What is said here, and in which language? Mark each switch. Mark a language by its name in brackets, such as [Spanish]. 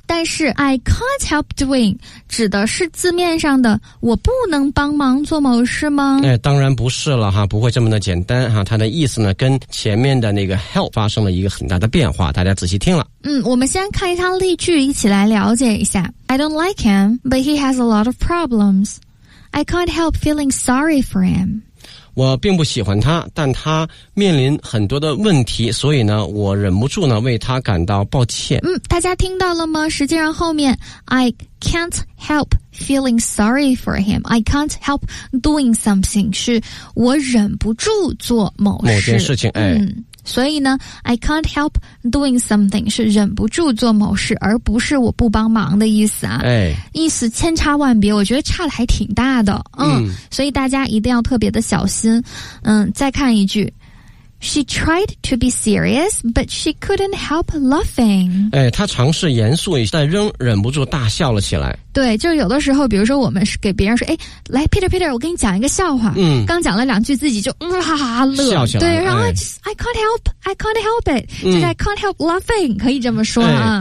[Chinese] 但是 [English] I can't help doing [Chinese] 指的是字面上的我不能帮忙做某事是吗？哎，当然不是了哈，不会这么的简单哈。它的意思呢，跟前面的那个 help 发生了一个很大的变化，大家仔细听了。嗯，我们先看一下例句，一起来了解一下。 [English] I don't like him, but he has a lot of problems. I can't help feeling sorry for him. [Chinese] 我并不喜欢他，但他面临很多的问题，所以呢，我忍不住呢为他感到抱歉。嗯，大家听到了吗？实际上后面 [English] I can't help。 Feeling sorry for him, I can't help doing something. [Chinese] 是我忍不住做某事某件事情。哎、嗯，所以呢 ， [English] I can't help doing something [Chinese] 是忍不住做某事，而不是我不帮忙的意思啊。哎，意思千差万别，我觉得差的还挺大的。嗯，所以大家一定要特别的小心。嗯，再看一句。 [English] She tried to be serious, but she couldn't help laughing. [Chinese] 哎，她尝试严肃一下，但仍忍不住大笑了起来。对，就是有的时候，比如说我们是给别人说，哎，来 ，Peter， 我给你讲一个笑话。嗯，刚讲了两句，自己就哇哈哈乐，笑起来。对，然后、哎、 [English] I can't help it，、嗯、 [Chinese] 就是 [English] I can't help laughing， 可以这么说啊、